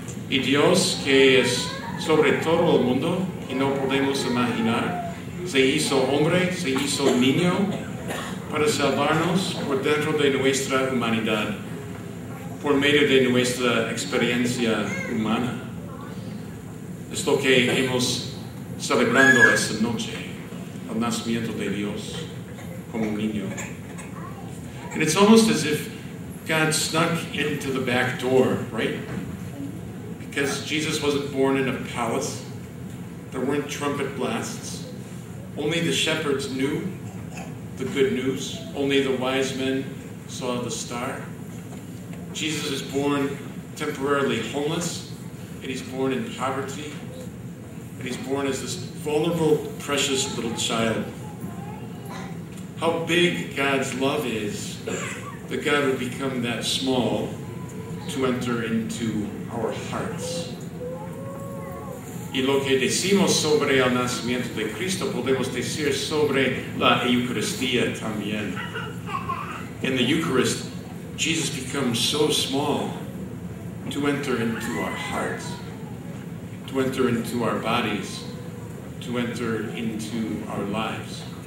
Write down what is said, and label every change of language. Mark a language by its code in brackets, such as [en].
[es] Y Dios, que es sobre todo el mundo, y no podemos imaginar, se hizo hombre, se hizo niño, para salvarnos por dentro de nuestra humanidad, por medio de nuestra experiencia humana. Es lo que hemos celebrando esa noche el nacimiento de Dios como un niño. [en] And it's almost as if God snuck into the back door, right? Because Jesus wasn't born in a palace. There weren't trumpet blasts. Only the shepherds knew the good news. Only the wise men saw the star. Jesus is born temporarily homeless, and he's born in poverty, and he's born as this vulnerable, precious little child. How big God's love is, that God would become that small to enter into our hearts. [es] Y lo que decimos sobre el nacimiento de Cristo podemos decir sobre la Eucaristía también. [en] In the Eucharist, Jesus becomes so small to enter into our hearts, to enter into our bodies, to enter into our lives.